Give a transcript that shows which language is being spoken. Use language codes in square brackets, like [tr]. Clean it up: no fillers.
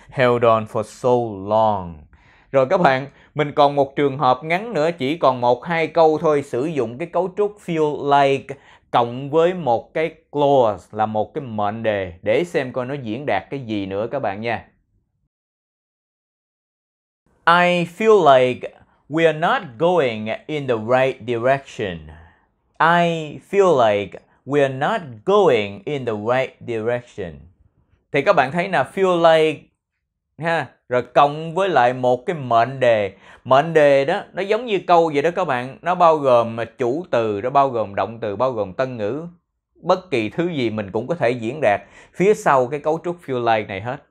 [en] Held on for so long. [vi] Rồi các bạn, mình còn một trường hợp ngắn nữa, chỉ còn một hai câu thôi, sử dụng cái cấu trúc feel like cộng với một cái clause là một cái mệnh đề, để xem coi nó diễn đạt cái gì nữa các bạn nha. [en] I feel like we are not going in the right direction. I feel like we are not going in the right direction. [vi] Thì các bạn thấy là feel like ha, rồi cộng với lại một cái mệnh đề. Mệnh đề đó nó giống như câu vậy đó các bạn. Nó bao gồm chủ từ, nó bao gồm động từ, bao gồm tân ngữ. Bất kỳ thứ gì mình cũng có thể diễn đạt phía sau cái cấu trúc feel like này hết.